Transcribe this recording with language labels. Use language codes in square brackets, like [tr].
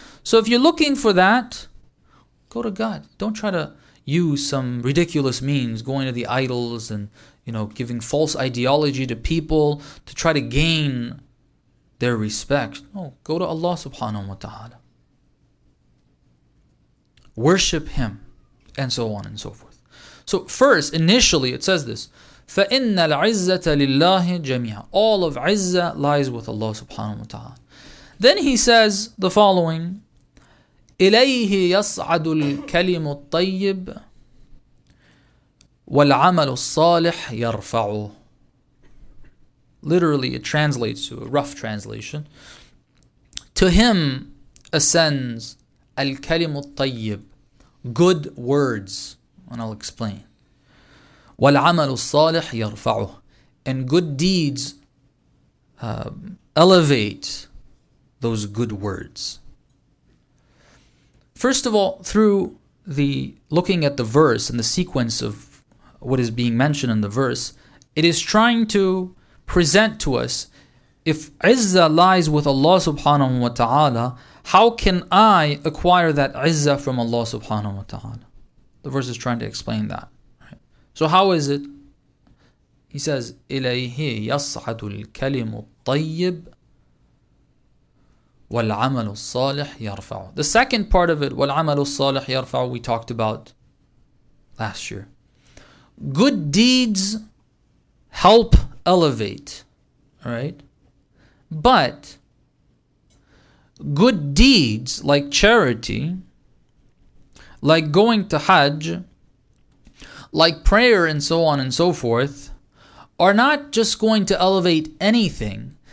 [en] So if you're looking for that, go to God. Don't try to use some ridiculous means, going to the idols and, you know, giving false ideology to people to try to gain their respect. No, go to Allah subhanahu wa ta'ala. Worship Him, and so on and so forth. So first, initially, it says this, [ar] فَإِنَّ الْعِزَّةَ لِلَّهِ جَمِيعًا. [en] All of izzah lies with Allah subhanahu wa ta'ala. Then he says the following, [ar] إِلَيْهِ يَصْعَدُ الْكَلِمُ الطَّيِّبُ وَالْعَمَلُ الصَّالِحُ يَرْفَعُهُ. [en] Literally, it translates to a rough translation. To him ascends [ar] الكلم الطيب, [en] good words, and I'll explain. [ar] وَالْعَمَلُ الصَّالِحُ يَرْفَعُهُ, [en] and good deeds elevate those good words. First of all, through the looking at the verse and the sequence of what is being mentioned in the verse, it is trying to present to us, if izzah lies with Allah subhanahu wa ta'ala, how can I acquire that izzah from Allah subhanahu wa ta'ala? The verse is trying to explain that. So how is it? He says, [ar] إِلَيْهِ يَصْعَدُ الْكَلِمُ الطَّيِّبُ وَالْعَمَلُ الصَّالِحُ يَرْفَعُ. [en] The second part of it, [ar] وَالْعَمَلُ الصَّالِحُ يَرْفَعُ, [en] we talked about last year. Good deeds help elevate, right? But good deeds like charity, like going to Hajj, like prayer and so on and so forth, are not just going to elevate anything.